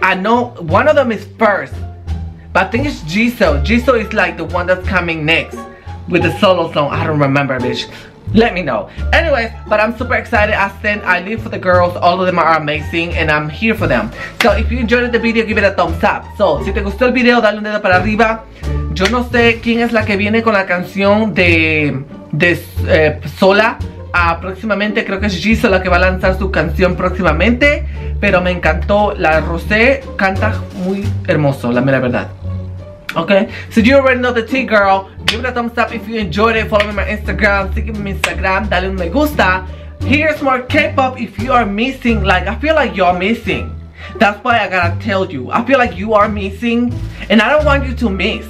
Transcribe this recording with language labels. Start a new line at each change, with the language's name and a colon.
English: I know one of them is first, but I think it's Jisoo. Jisoo is like the one that's coming next with the solo song. I don't remember, bitch. Let me know. Anyways, but I'm super excited. I live for the girls. All of them are amazing and I'm here for them. So if you enjoyed the video, give it a thumbs up.
Spanish: So, si te gustó el video, dale un dedo para arriba. Yo no sé quién es la que viene con la canción de Sola. Próximamente, creo que es Jisoo la que va a lanzar su canción próximamente. Pero me encantó. La Rosé canta muy hermoso, la mera verdad.
English: Okay, so you already know the tea, girl. Give it a thumbs up if you enjoyed it. Follow me on my Instagram.
Spanish: Sígueme mi Instagram. Dale un me gusta.
English: Here's more K-pop if you are missing. Like, I feel like you're missing. That's why I gotta tell you. I feel like you are missing. And I don't want you to miss.